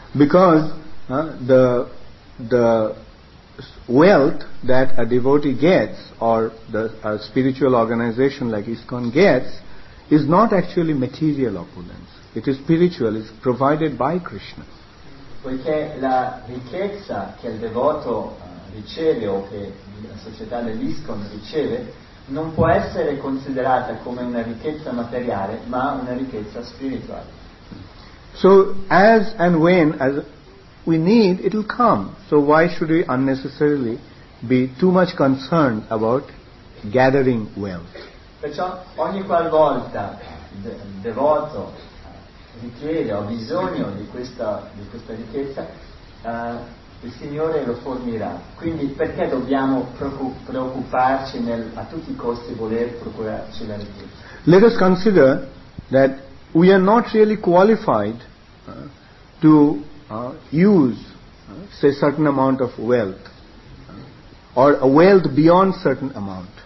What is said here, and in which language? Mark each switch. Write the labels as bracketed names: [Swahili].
[English] Because the wealth that a devotee gets or a spiritual organization like ISKCON gets is not actually material opulence. It is spiritual, it's provided by Krishna. [Italian] Poiché la ricchezza che il devoto riceve o che la società dell'ISKCON riceve non può essere considerata come una ricchezza materiale, ma una ricchezza spirituale. [English] So as and when as we need, it will come. So why should we unnecessarily be too much concerned about gathering wealth? [Italian] Perciò ogni qualvolta il devoto richiede, ho bisogno di questa ricchezza, il Signore lo fornirà. Quindi perché dobbiamo preoccuparci a tutti i costi voler procurarci la ricchezza? [English] Let us consider that we are not really qualified to use say certain amount of wealth or a wealth beyond certain amount.